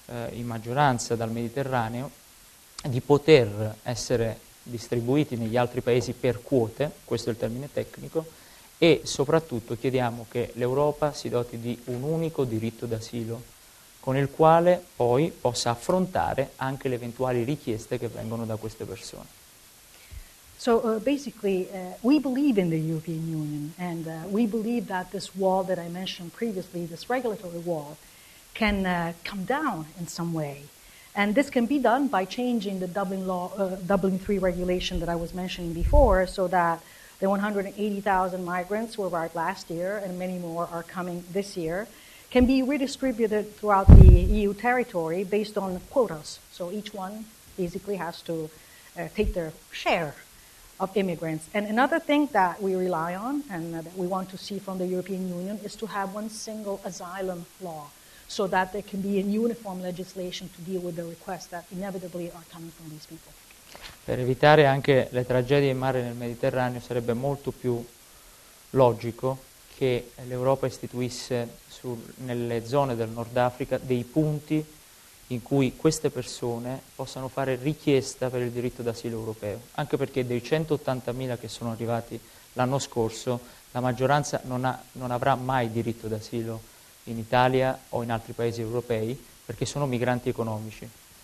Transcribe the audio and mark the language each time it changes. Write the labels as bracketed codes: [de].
[it] in maggioranza dal Mediterraneo di poter essere distribuiti negli altri paesi per quote, questo è il termine tecnico, e soprattutto chiediamo che l'Europa si doti di un unico diritto d'asilo con il quale poi possa affrontare anche le eventuali richieste che vengono da queste persone. [en] So basically we believe in the European Union and we believe that this wall that I mentioned previously, this regulatory wall, can come down in some way. And this can be done by changing the Dublin law, Dublin 3 regulation that I was mentioning before, so that the 180,000 migrants who arrived last year, and many more are coming this year, can be redistributed throughout the EU territory based on quotas. So each one basically has to take their share of immigrants. And another thing that we rely on and that we want to see from the European Union is to have one single asylum law so that there can be a uniform legislation to deal with the requests that inevitably are coming from these people. [it] Per evitare anche le tragedie in mare nel Mediterraneo sarebbe molto più logico che l'Europa istituisse nelle zone del Nord Africa dei punti in cui queste persone possano fare richiesta per il diritto d'asilo europeo, anche perché dei 180.000 che sono arrivati l'anno scorso la maggioranza non avrà mai diritto d'asilo in Italia o in altri paesi europei perché sono migranti economici.